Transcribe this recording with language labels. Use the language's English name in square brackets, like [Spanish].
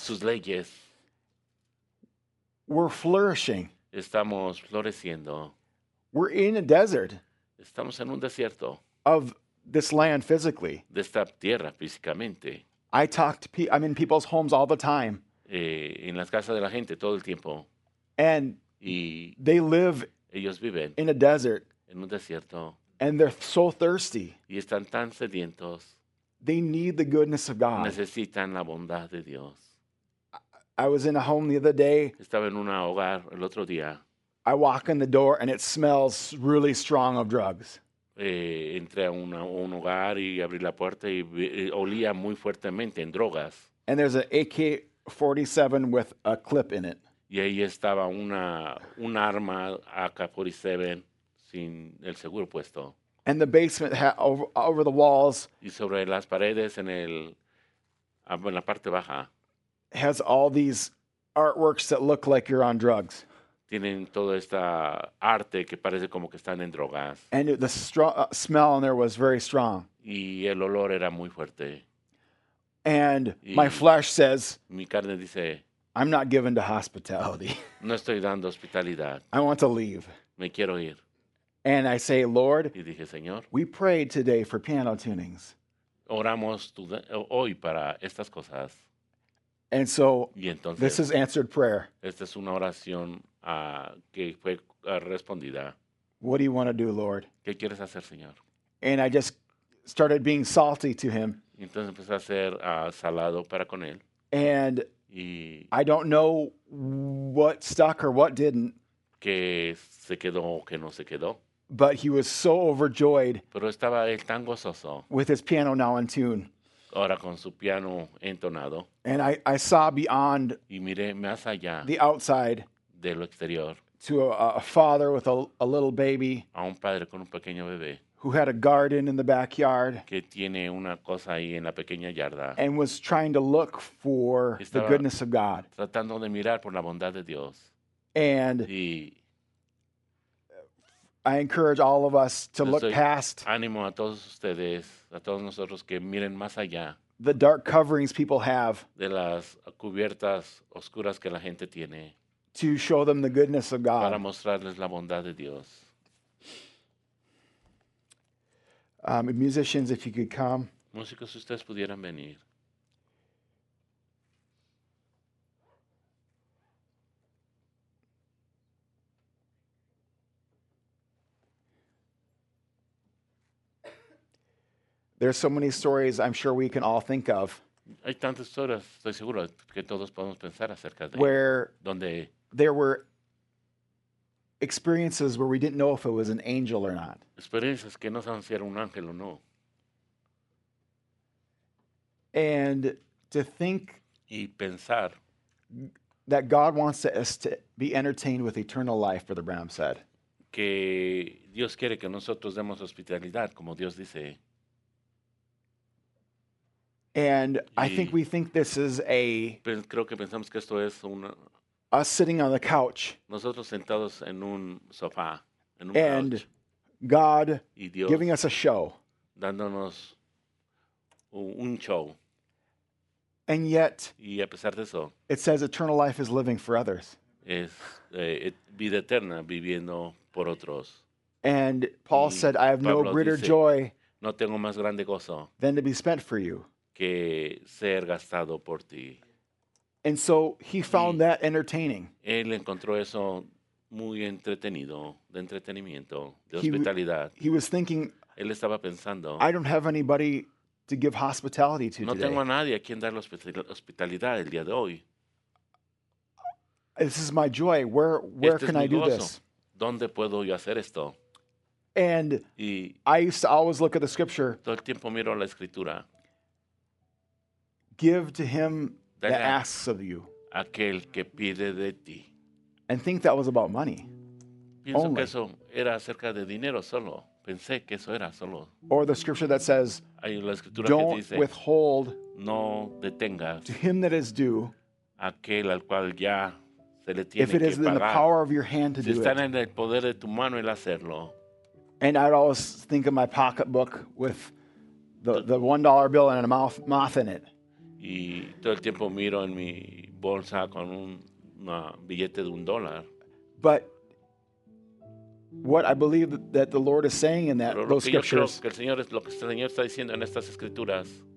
[Spanish] Sus leyes. [English] We're flourishing. [Spanish] Estamos floreciendo. [English] We're in a desert. [Spanish] Estamos en un desierto. [English] Of this land physically. [Spanish] De esta tierra físicamente. [English] I talk to I'm in people's homes all the time. [Spanish] En las casas de la gente todo el tiempo. [English] And [Spanish] y [English] they live [Spanish] ellos viven [English] in a desert. [Spanish] En un desierto. [English] And they're so thirsty. [Spanish] Y están tan sedientos. [English] They need the goodness of God. [Spanish] Necesitan la bondad de Dios. [English] I was in a home the other day. [Spanish] Estaba en un hogar el otro día. [English] I walk in the door and it smells really strong of drugs. [Spanish] Entré a un hogar y abrí la puerta y olía muy fuertemente en drogas. [English] And there's an AK-47 with a clip in it. [Spanish] Y ahí estaba un arma AK-47 sin el seguro puesto. [English] And the basement over the walls. [Spanish] Y sobre las paredes en la parte baja. [English] Has all these artworks that look like you're on drugs. [Spanish] Tienen toda esta arte que parece como que están en drogas. [English] And the smell in there was very strong. [Spanish] Y el olor era muy fuerte. [English] And my flesh says, [Spanish] mi carne dice, [English] I'm not given to hospitality. [Spanish] No estoy dando hospitalidad. [English] I want to leave. [Spanish] Me quiero ir. [English] And I say, Lord, [Spanish] y dije, Señor, [English] we prayed today for piano tunings. [Spanish] Oramos hoy para estas cosas. [English] And so, [Spanish] y entonces, [English] this is answered prayer. [Spanish] Esta es una oración que fue respondida. [English] What do you want to do, Lord? [Spanish] ¿Qué quieres hacer, Señor? [English] And I just started being salty to him. [Spanish] Entonces empecé a ser salado para con él. [English] And [Spanish] y [English] I don't know what stuck or what didn't. [Spanish] ¿Qué se quedó o qué no se quedó? [English] But he was so overjoyed. [Spanish] Pero estaba él tan gozoso. [English] With his piano now in tune. [Spanish] Ahora con su piano entonado. [English] And I saw beyond. [Spanish] Y miré más allá. [English] The outside. [Spanish] De lo exterior. [English] To a father with a little baby. [Spanish] A un padre con un pequeño bebé. [English] Who had a garden in the backyard. [Spanish] Que tiene una cosa ahí en la pequeña yarda. [English] And was trying to look for the goodness of God. [Spanish] Tratando de mirar por la bondad de Dios. [English] And [Spanish] y [English] I encourage all of us to look past. [Spanish] Ánimo a todos ustedes, a todos nosotros que miren más allá. [English] The dark coverings people have. [Spanish] De las cubiertas oscuras que la gente tiene. [English] To show them the goodness of God. [Spanish] Para mostrarles la bondad de Dios. [English] Musicians, if you could come. [Spanish] Músicos, si ustedes pudieran venir. [English] There's so many stories I'm sure we can all think of. [Spanish] Hay tantas historias, estoy seguro que todos podemos pensar acerca de. [English] Where [Spanish] donde [English] there were experiences where we didn't know if it was an angel or not. [Spanish] Experiencias que no sabían si era un ángel o no. [English] And to think [Spanish] y pensar [English] that God wants us to be entertained with eternal life, Brother Bram said. [Spanish] Que Dios quiere que nosotros demos hospitalidad, como Dios dice. [English] And I think we think this is a [Spanish] creo que pensamos que esto es una [English] us sitting on the couch. [Spanish] Nosotros sentados en un sofá, en un [English] and couch, God [Spanish] y Dios [English] giving us a show. [Spanish] Dándonos un show. [English] And yet [Spanish] y a pesar de eso, [English] it says eternal life is living for others. [Spanish] Es vida eterna viviendo por otros. [English] And Paul said, I have [Spanish] Pablo [English] no greater [Spanish] dice, [English] joy [Spanish] no tengo más grande gozo [English] than to be spent for you. [Spanish] Que ser gastado por ti. [English] And so he found that entertaining. [Spanish] Él encontró eso muy entretenido, de entretenimiento, de hospitalidad. [English] He was thinking, [Spanish] él estaba pensando, [English] I don't have anybody to give hospitality to [Spanish] no [English] today. [Spanish] No tengo a nadie a quien dar hospitalidad el día de hoy. [English] This is my joy. Where [Spanish] este [English] can [Spanish] es [English] I do this? [Spanish] ¿Dónde puedo yo hacer esto? [English] And [Spanish] y [English] I used to always look at the scripture. [Spanish] Todo el tiempo miro la escritura. [English] Give to him that asks of you. [Spanish] Aquel que pide de ti. [English] And think that was about money. [Spanish] Pienso [English] only. [Spanish] Que eso era acerca de dinero solo. Pensé que eso era solo. [English] Or the scripture that says, [Spanish] hay la escritura [English] don't [Spanish] que dice, [English] withhold [Spanish] no detengas [English] to him that is due. [Spanish] Aquel al cual ya se le tiene [English] if it [Spanish] que [English] is [Spanish] pagar. [English] In the power of your hand to [Spanish] si [English] do [Spanish] están [English] it. [Spanish] En el poder de tu mano el hacerlo. [English] And I'd always think of my pocketbook with the $1 bill and a moth in it. [Spanish] Y todo el tiempo miro en mi bolsa con un billete de un dólar. [English] But what I believe that the Lord is saying in that, those scriptures, [Spanish] que el Señor, lo que el Señor está diciendo en estas escrituras,